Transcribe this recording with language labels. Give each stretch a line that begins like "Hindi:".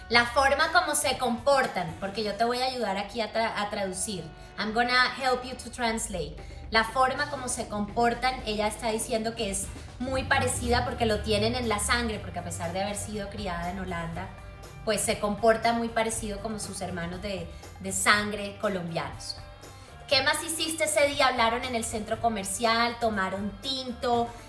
Spanish: la forma como se comportan, porque yo te voy a ayudar aquí a traducir.
English: I'm gonna help you to translate.
Spanish: La forma como se comportan, ella está diciendo que es muy parecida porque lo tienen en la sangre, porque a pesar de haber sido criada en Holanda, pues se comporta muy parecido como sus hermanos de sangre colombianos. ¿Qué más hiciste ese día? ¿Hablaron en el centro comercial? ¿Tomaron tinto?